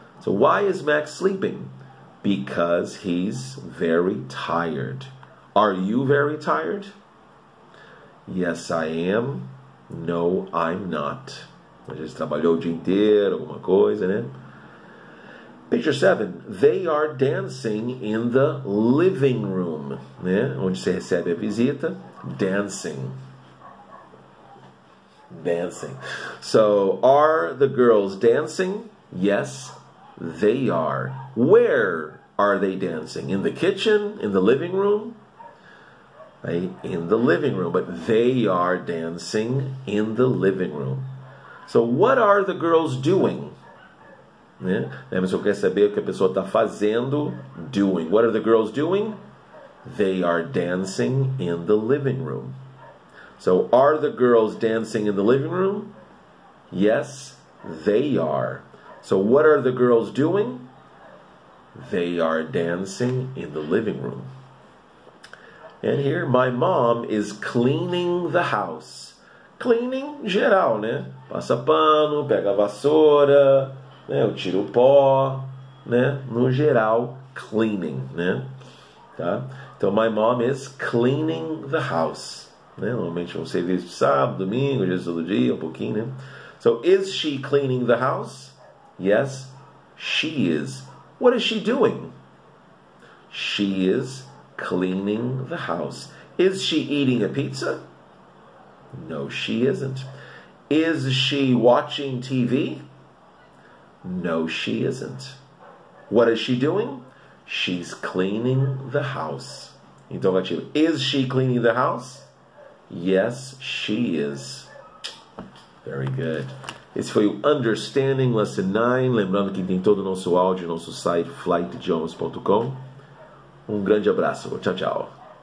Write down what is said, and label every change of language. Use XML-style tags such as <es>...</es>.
<en>So why is Max sleeping? Because he's very tired. Are you very tired? Yes, I am. No, I'm not.</en> <pt>Às vezes trabalhou o dia inteiro, alguma coisa, né?</pt> <en>Picture 7. They are dancing in the living room.</en> <pt>Né? Onde você recebe a visita.</pt> <en>Dancing. Dancing. So, are the girls dancing? Yes, they are. Where are they dancing? In the kitchen? In the living room? Right? In the living room. But they are dancing in the living room. So what are the girls doing?</en> <pt>Né? A pessoa quer saber o que a pessoa está fazendo.</pt> <en>Doing. What are the girls doing? They are dancing in the living room. So are the girls dancing in the living room? Yes, they are. So what are the girls doing? They are dancing in the living room. And here, my mom is cleaning the house.</en> <pt>Cleaning, geral, né? Passa pano, pega a vassoura, né? Eu tiro o pó, né? No geral, cleaning, né? Tá?</pt> <en>Então, my mom is cleaning the house.</en> <pt>Né? Normalmente, um serviço de sábado, domingo, dia todo dia, um pouquinho, né?</pt> <en>So, is she cleaning the house? Yes, she is. What is she doing? She is cleaning the house. Is she eating a pizza? No, she isn't. Is she watching TV? No, she isn't. What is she doing? She's cleaning the house. Então, about you. Is she cleaning the house? Yes, she is. Very good.</en> <pt>Esse foi o Understanding Lesson 9. Lembrando que tem todo o nosso áudio no nosso site flightidiomas.com. Um grande abraço. Tchau, tchau.</pt>